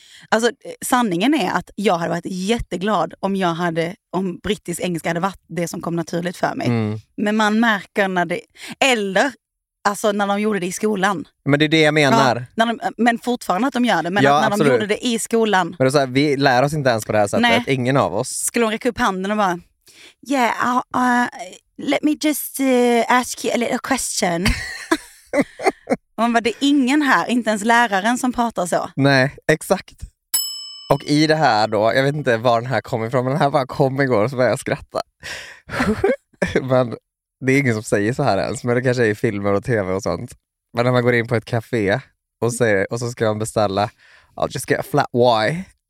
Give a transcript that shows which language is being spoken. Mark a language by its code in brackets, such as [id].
[sv] Alltså sanningen är att jag hade varit jätteglad om brittisk engelska hade varit det som kom naturligt för mig. Mm. Men man märker när det... Eller alltså när de gjorde det i skolan. Men det är det jag menar. Ja, men fortfarande att de gör det. Men ja, när absolut. De gjorde det i skolan. Men så här, vi lär oss inte ens på det här sättet. Nej. Ingen av oss. Skulle de räcka upp handen och bara... [en] Yeah, let me just ask you a little question. [sv] Man bara, det är ingen här. Inte ens läraren som pratar så. Nej, exakt. Och i det här då, jag vet inte var den här kom ifrån. Men den här bara kom igår så började jag skratta. Men... Det är ingen som säger så här ens, men det kanske är i filmer och tv och sånt. Men när man går in på ett café och så ska man beställa [en] I'll just get a flat Y.